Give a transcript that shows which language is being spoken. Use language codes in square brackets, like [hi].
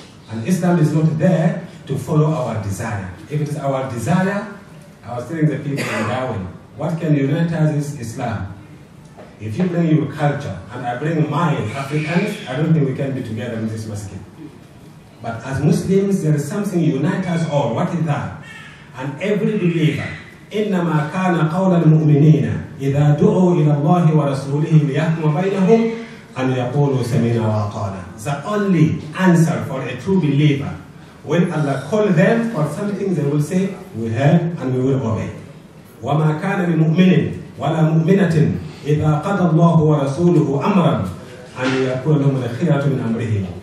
[en] And Islam is not there to follow our desire. If it is our desire, I was telling the people in Darwin, what can unite us is Islam. If you bring your culture, and I bring mine, Africans, I don't think we can be together in this mosque. But as Muslims, there is something unite us all. What is that? And every believer, [ar] إِنَّمَا كَانَ قَوْلَ الْمُؤْمِنِينَ إِذَا دُعُوا إِلَى اللَّهِ وَرَسُولِهِ لِيَحْكُمَ بَيْنَهُمْ أَنْ يَقُولُوا سَمِعْنَا وَأَطَعْنَا. [en] The only answer for a true believer, when Allah calls them for something, they will say, we heard and we will obey. [ar] وَمَا كَانَ لِمُؤْمِنٍ وَلَا مُؤْمِنَةٍ إِذَا قَضَى اللَّهُ وَرَسُولُهُ أَمْرًا أَنْ يَكُونَ لَهُمُ الْخِيَرَةُ مِنْ أَمْرِهِمْ.